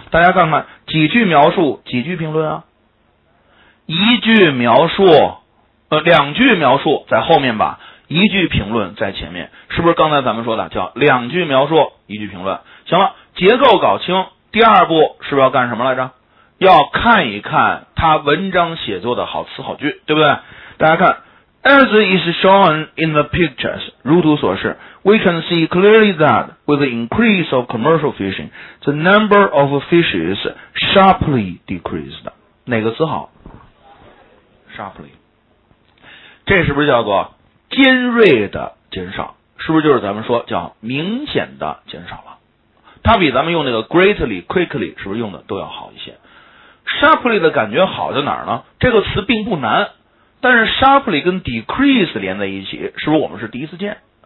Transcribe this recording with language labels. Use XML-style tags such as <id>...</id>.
<zh>大家看看几句描述几句评论啊，一句描述两句描述在后面吧，一句评论在前面，是不是刚才咱们说的叫两句描述一句评论？行了，结构搞清，第二步是不是要干什么来着？要看一看他文章写作的好词好句，对不对？大家看</zh> <en>as is shown in the pictures，</en> <zh>如图所示</zh> <en>we can see clearly that with the increase of commercial fishing the number of fishes sharply decreased。</en> <zh>哪个词好？ sharply， 这是不是叫做尖锐的减少？是不是就是咱们说叫明显的减少了？它比咱们用那个 greatly quickly 是不是用的都要好一些？ sharply 的感觉好在哪儿呢？这个词并不难，但是 sharply 跟 decrease 连在一起，是不是我们是第一次见？</zh>